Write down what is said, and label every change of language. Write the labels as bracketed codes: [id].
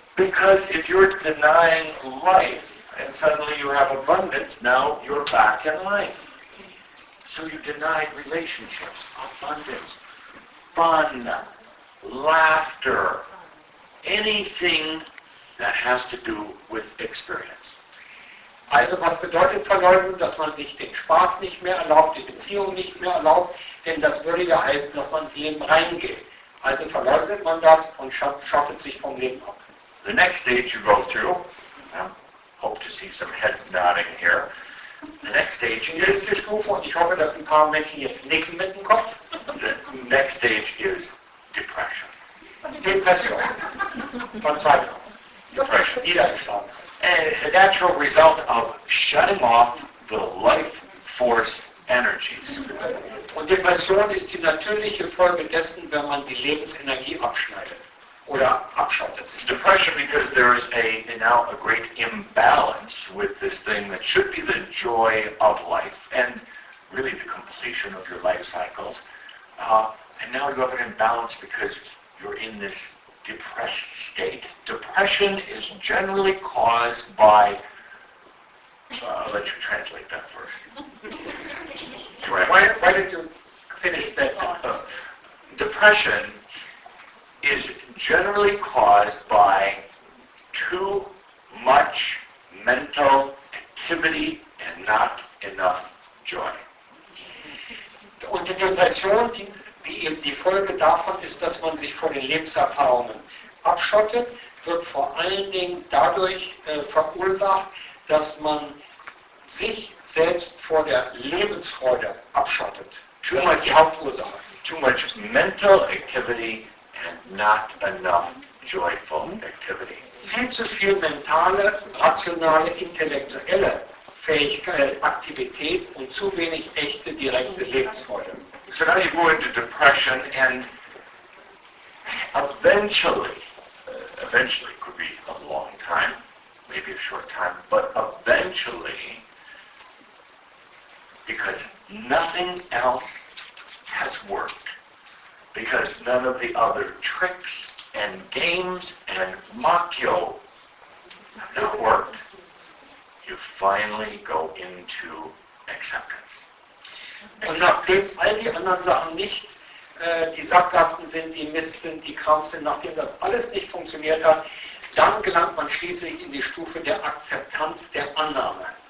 [en] Because if you're denying life and suddenly you have abundance, now you're back in life. So you deny relationships, abundance, fun, laughter, anything that has to do with experience. [de] Also was bedeutet Verleugnung? Dass man sich den Spaß nicht mehr erlaubt, die Beziehung nicht mehr erlaubt, denn das würde ja heißen, dass man ins Leben reingeht. Also verleugnet man das und schottet sich vom Leben ab. [en] The next stage you go through, I hope to see some heads nodding here, the next stage [de] die nächste Stufe, und ich hoffe, dass ein paar Menschen jetzt nicken mit dem Kopf, [en] the next stage is depression. [de] Depression. Verzweiflung. Depression. Niedergeschlagen. [en] And the natural result of shutting off the life force energies. [de] Und Depression ist die natürliche Folge dessen, wenn man die Lebensenergie abschneidet oder abschottet. [en] Depression because there is a great imbalance with this thing that should be the joy of life and really the completion of your life cycles. And now you have an imbalance because you're in this depressed state. Depression is generally caused by, I'll let you translate that first. Why did you finish that? Depression is generally caused by too much mental activity and not enough joy. [de] Und die Depression, die Folge davon ist, dass man sich vor den Lebenserfahrungen abschottet, wird vor allen Dingen dadurch verursacht, dass man sich selbst vor der Lebensfreude abschottet. [en] Too much Hauptursache. Too much mental activity and not enough joyful activity. [de] Viel zu viel mentale, rationale, intellektuelle Fähigkeit, Aktivität und zu wenig echte, direkte Lebensfreude. [en] So now you go into depression and eventually could be a long time, maybe a short time, but eventually, because nothing else has worked, because none of the other tricks and games and makyo have not worked, you finally go into acceptance. [de] Und nachdem all die anderen Sachen nicht, die Sackgassen sind, die Mist sind, die Krampf sind, nachdem das alles nicht funktioniert hat, dann gelangt man schließlich in die Stufe der Akzeptanz, der Annahme.